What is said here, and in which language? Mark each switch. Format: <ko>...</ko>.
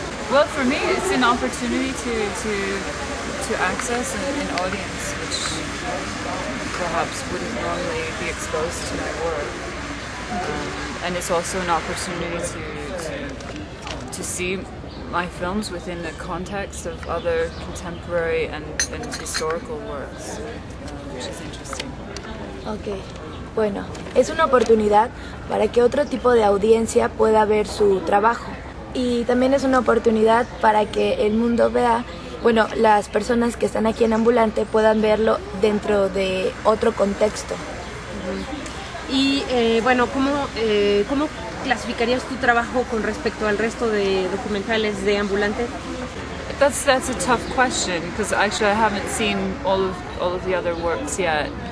<en>Well, for me, it's an opportunity to access an audience which perhaps wouldn't normally be exposed to my work. And it's also an opportunity to see my films within the context of other contemporary and historical works, which is interesting. Okay. Bueno, es una oportunidad para que otro tipo de audiencia pueda ver su trabajo. Y también es una oportunidad para que el mundo vea, bueno, las personas que están aquí en Ambulante puedan verlo dentro de otro contexto. Uh-huh.</en> <es>Y bueno, ¿cómo clasificarías tu trabajo con respecto al resto de documentales de Ambulante?</es> <en>That's a tough question, because actually I haven't seen all of the other works yet.</en>